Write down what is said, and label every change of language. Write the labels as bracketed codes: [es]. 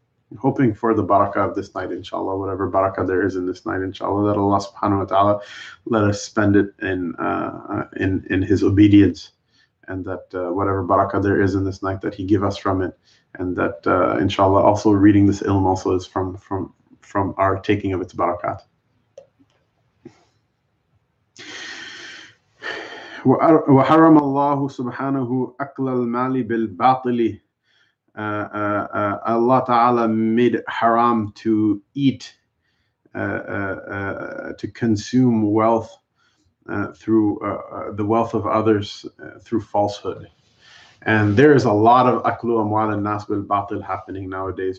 [en] I'm hoping for the barakah of this night, inshallah, whatever barakah there is in this night, inshallah, that Allah subhanahu wa ta'ala let us spend it in His obedience, and that whatever barakah there is in this night, that He give us from it, and that inshallah, also reading this ilm also is from our taking of its barakat. [ar] وحرم الله سبحانه أكل المال بالباطل. [en] Allah Ta'ala made haram to eat, to consume wealth through the wealth of others through falsehood. And there is a lot of [ar] أكل أموال الناس بالباطل [en] happening nowadays.